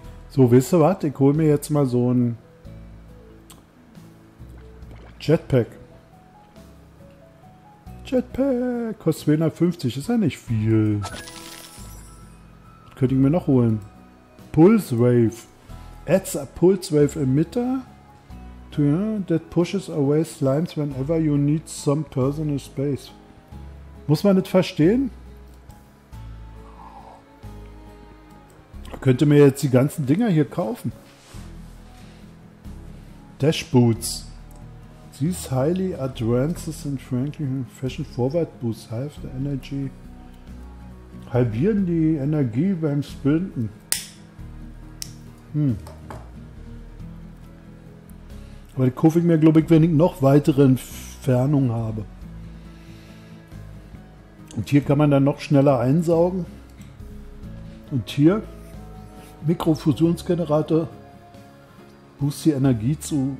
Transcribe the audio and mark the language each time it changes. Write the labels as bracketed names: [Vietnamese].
[German] So, wisst ihr was? Ich hole mir jetzt mal so ein Jetpack. Jetpack kostet 250, ist ja nicht viel. Was könnte ich mir noch holen? [English] Pulse Wave. Adds a Pulse Wave Emitter to, that pushes away slimes whenever you need some personal space. [German] Muss man das verstehen? Könnte mir jetzt die ganzen Dinger hier kaufen. [English] Dash Boots. These highly advances and frankly fashion forward boost half the energy. [German] Halbieren die Energie beim Sprinten. Aber die kaufe ich mir, glaube ich, wenn ich noch weitere Entfernung habe. Und hier kann man dann noch schneller einsaugen. Und hier Mikrofusionsgenerator boost die Energie zu.